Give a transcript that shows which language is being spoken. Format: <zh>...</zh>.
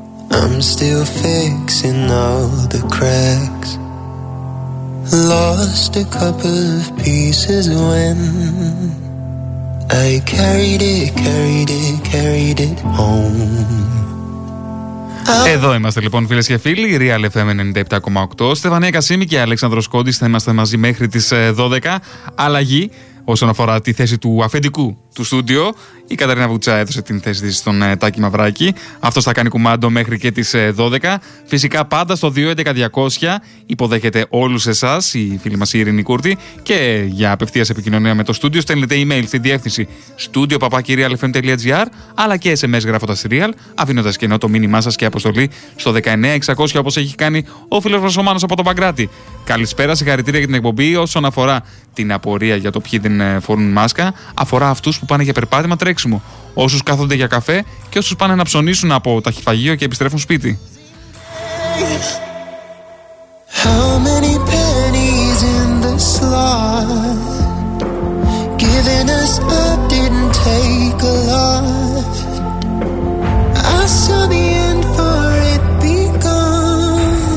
<en>I'm still fixing all the cracks. Lost a couple of pieces when I carried it home.</en> <el>Εδώ είμαστε λοιπόν, φίλες και φίλοι, Real FM 97,8. Στεφανία Κασίμη και Αλέξανδρος Κόντης, θα είμαστε μαζί μέχρι τις 12. Αλλαγή όσον αφορά τη θέση του αφεντικού του στούντιο. Η Καταρίνα Βουτσά έδωσε την θέση της στον Τάκη Μαυράκη. Αυτός θα κάνει κουμάντο μέχρι και τις 12. Φυσικά πάντα στο 211-200 υποδέχεται όλους εσάς, οι φίλοι μας, η Ειρήνη Κούρτη. Και για απευθείας επικοινωνία με το στούντιο, στέλνετε email στη διεύθυνση studio@realfm.gr, αλλά και SMS γράφοντας Real, αφήνοντας και ενώ το μήνυμά σας και αποστολή στο 19600, όπως έχει κάνει ο φίλος μας ο Μάνος από τον Παγκράτη. Καλησπέρα, συγχαρητήρια για την εκπομπή. Όσον αφορά την απορία για το ποιοι δεν φορούν μάσκα, αφορά αυτούς που πάνε για περπάτημα, τρέξιμο, όσους κάθονται για καφέ και όσους πάνε να ψωνίσουν από ταχυφαγείο και επιστρέφουν σπίτι.</el> <en>How many pennies in the slot? Giving us up didn't take a lot. I saw the end for it begun.</en>